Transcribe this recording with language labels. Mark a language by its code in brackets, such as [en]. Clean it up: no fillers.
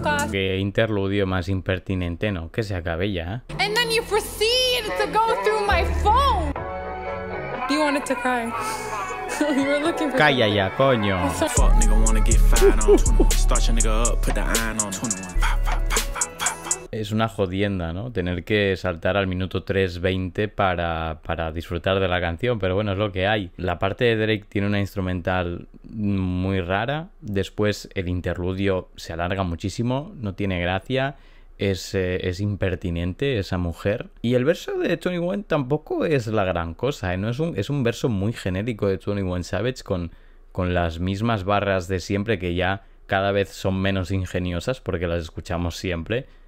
[es] Qué interludio más impertinente, ¿no? Que se acabe ya. [en] And then you proceed to go through my phone. You wanted to cry. You were looking for. [es] Calla ya, coño. [en] Fuck nigga wanna get fine on 21. Start your nigga up, put the iron on 21. [es] Es una jodienda, ¿no? Tener que saltar al minuto 3:20 para disfrutar de la canción. Pero bueno, es lo que hay. La parte de Drake tiene una instrumental muy rara. Después el interludio se alarga muchísimo. No tiene gracia. Es impertinente esa mujer. Y el verso de 21 tampoco es la gran cosa, ¿eh? No es un verso muy genérico de 21 Savage con las mismas barras de siempre que ya cada vez son menos ingeniosas porque las escuchamos siempre.